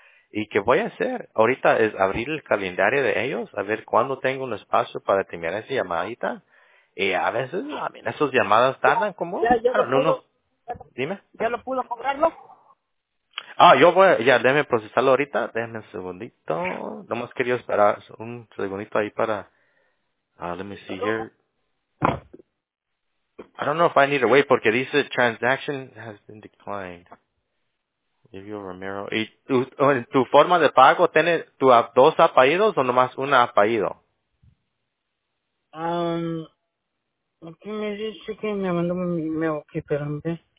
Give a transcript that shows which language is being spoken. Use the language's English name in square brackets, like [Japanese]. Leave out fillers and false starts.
[Spanish] Y que voy a hacer ahorita es abrir el calendario de ellos, a ver cuándo tengo un espacio para terminar esa llamadita. Y a veces, a mí esas llamadas tardan como... Ya, ya lo pudo, dime. ¿Ya lo pudo cobrarlo? Ah, yo voy, ya, déjeme procesarlo ahorita, déjeme un segundito. Nomás quería esperar un segundito ahí para, [English] let me see here. I don't know if I need to wait [Spanish] porque dice [English] transaction has been declined. [Spanish] Olivio Romero. ¿Y tu forma de pago, tiene tu dos apellidos o nomás un apellido? Aquí me dice que me mandó mi mail, que esperan, ¿ves?